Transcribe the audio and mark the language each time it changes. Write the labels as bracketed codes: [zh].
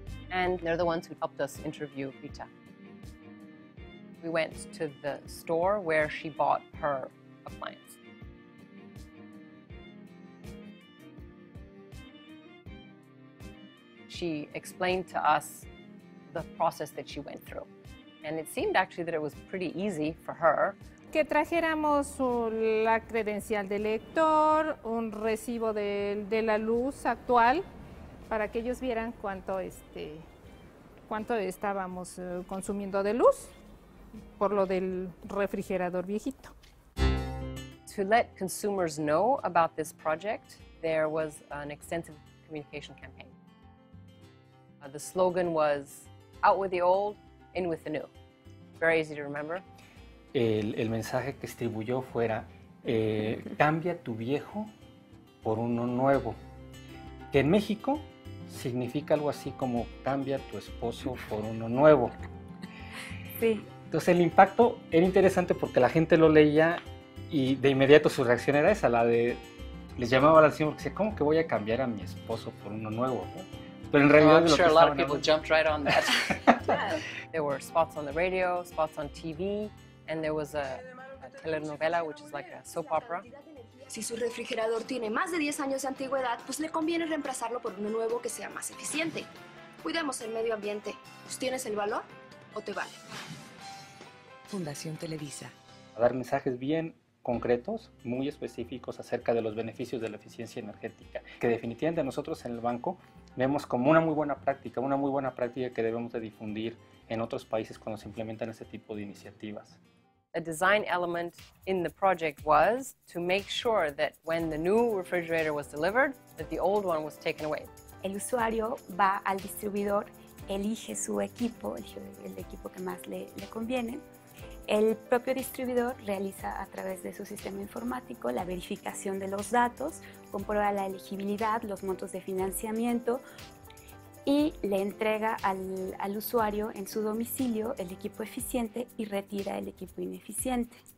[en] And they're the ones who helped us interview Rita. We went to the store where she bought her appliance. She explained to us the process that she went through. And it seemed actually that it was pretty easy for her. [es] Que trajéramos la credencial de lector, un recibo de la luz actual, para que ellos vieran cuánto estábamos consumiendo de luz por lo del refrigerador viejito. [en] To let consumers know about this project, there was an extensive communication campaign. The slogan was, out with the old, in with the new. Very easy to remember. [es] El mensaje que distribuyó fuera, cambia tu viejo por uno nuevo, que en México significa algo así como cambia tu esposo por uno nuevo. Sí. Entonces el impacto era interesante porque la gente lo leía y de inmediato su reacción era esa, la de, les llamaba la atención porque decía, ¿cómo que voy a cambiar a mi esposo por uno nuevo? Pero en realidad [en] I'm sure a lot of people jumped right on that. There were spots on the radio, spots on TV. And there was a telenovela, which is like a soap opera. [es] Si su refrigerador tiene más de 10 años de antigüedad, pues le conviene reemplazarlo por uno nuevo que sea más eficiente. Cuidemos el medio ambiente. Pues ¿tienes el valor o te vale? Fundación Televisa. A dar mensajes bien concretos, muy específicos acerca de los beneficios de la eficiencia energética, que definitivamente nosotros en el banco vemos como una muy buena práctica que debemos de difundir en otros países cuando se implementan ese tipo de iniciativas. [en] A design element in the project was to make sure that when the new refrigerator was delivered, that the old one was taken away. [es] El usuario va al distribuidor, elige su equipo, el equipo que más le conviene, El propio distribuidor realiza a través de su sistema informático la verificación de los datos, comprueba la elegibilidad, los montos de financiamiento y le entrega al usuario en su domicilio el equipo eficiente y retira el equipo ineficiente.